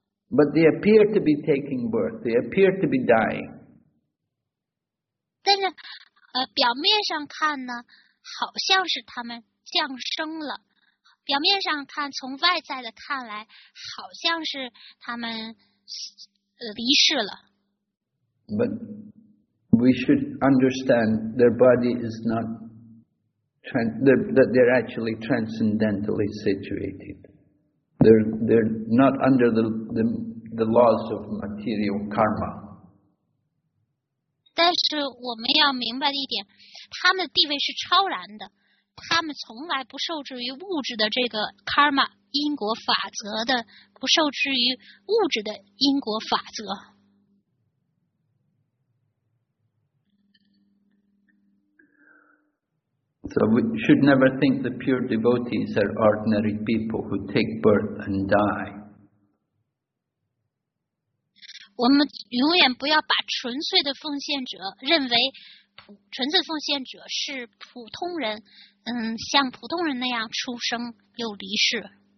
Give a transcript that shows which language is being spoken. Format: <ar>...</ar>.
<en>But they appear to be taking birth. They appear to be dying.</en> <zh>但是表面上看呢好像是他们降生了，表面上看从外在的看来好像是他们离世了。</zh> <en>But we should understand their body is not that they're actually transcendentally situated. They're not under the laws of material karma.</en> <zh>但是我们要明白的一点，他们的地位是超然的，他们从来不受制于物质的这个 karma 因果法则的，不受制于物质的因果法则。</zh> <en>So we should never think the pure devotees are ordinary people who take birth and die.</en> <zh>我们永远不要把纯粹的奉献者认为纯粹奉献者是普通人，像普通人那样出生又离世。</zh>